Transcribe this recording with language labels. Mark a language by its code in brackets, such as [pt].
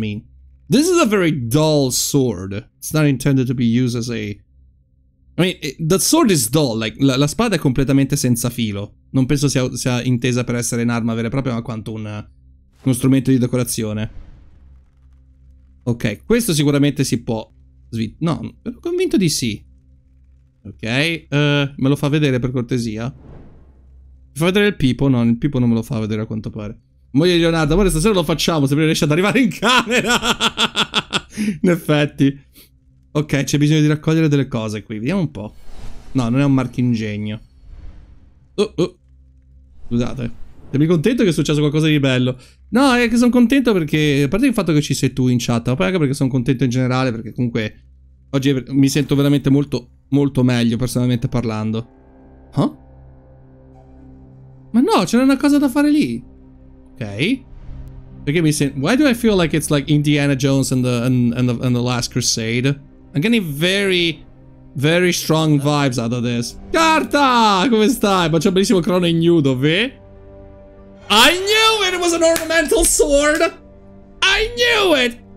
[en] I mean, this is a very dull sword. It's not intended to be used as a... I mean, the sword is dull, like, [it] la spada è completamente senza filo. Non penso sia intesa per essere un'arma vera e propria, ma quanto uno strumento di decorazione. Ok, questo sicuramente si può... No, ero convinto di sì. Ok, me lo fa vedere per cortesia? Fa vedere il Pippo? No, il Pippo non me lo fa vedere a quanto pare. Moglie di Leonardo, amore, stasera lo facciamo, se riesce ad arrivare in camera! In effetti... Ok, c'è bisogno di raccogliere delle cose qui. Vediamo un po'. No, non è un marchingegno. Scusate. Sei contento che è successo qualcosa di bello? No, è che sono contento perché... A parte il fatto che ci sei tu in chat, ma poi anche perché sono contento in generale, perché comunque... Oggi mi sento veramente molto, molto meglio, personalmente parlando. Huh? Ma no, c'era una cosa da fare lì. Ok. Perché mi sento... [en] Why do I feel like it's like Indiana Jones and the Last Crusade? I'm getting very, very strong vibes out of this. [it] Carta! Come stai? Ma c'è un bellissimo crono ignudo, vi? [en] I knew it was an ornamental sword! I knew it!